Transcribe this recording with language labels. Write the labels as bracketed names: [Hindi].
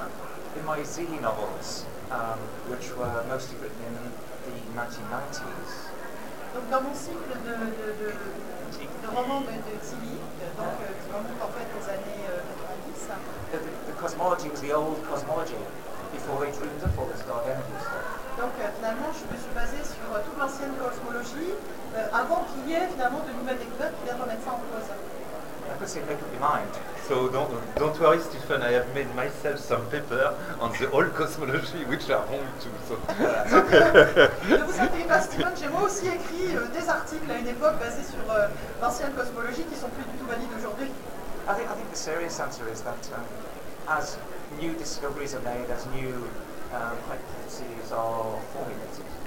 [English] In my Zee novels, which were mostly written in the 1990s. [French] Donc dans mon cycle de romans de Zee, donc qui remonte en fait aux années 90. [English] The cosmology was the old cosmology before they dreamed up all this dark energy stuff. [French] Donc finalement, je me suis basée sur toute l'ancienne cosmologie avant qu'il y ait finalement de nouvelles découvertes qui viennent remettre ça en cause. [English] So don't worry, Stephen. I have made myself some paper on the old cosmology, which are wrong too. [French] Ne vous inquiétez pas, Stephen. J'ai moi aussi écrit des articles à une époque basés sur l'ancienne cosmologie qui sont plus du tout valides aujourd'hui. [English] I think the serious answer is that as new discoveries are made, as new hypotheses are formulated.